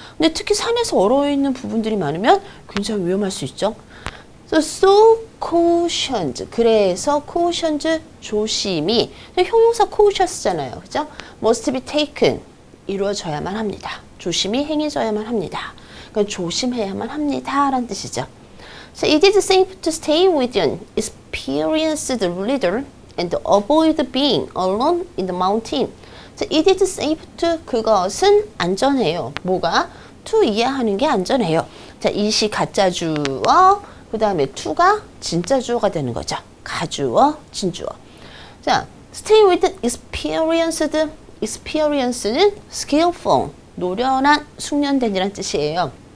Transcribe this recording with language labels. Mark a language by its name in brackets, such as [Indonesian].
[Korean] 근데 특히 산에서 얼어있는 부분들이 많으면 굉장히 위험할 수 있죠. So cautions. 그래서 cautions 조심이 형용사 cautious잖아요. 그죠? [English] Must be taken. [Korean] 이루어져야만 합니다. 조심이 행해져야만 합니다. 그러니까 조심해야만 합니다. 라는 뜻이죠. [English] So it is safe to stay with an experienced leader and avoid being alone in the mountain. [Korean] So it is safe to 그것은 안전해요. 뭐가? To 이해하는 게 안전해요. 자, is이 가짜 주어, 그 다음에 to가 진짜 주어가 되는 거죠. 가주어, 진주어. 자, stay with an experienced. Experience는 skillful, 노련한, 숙련된이란 뜻이에요.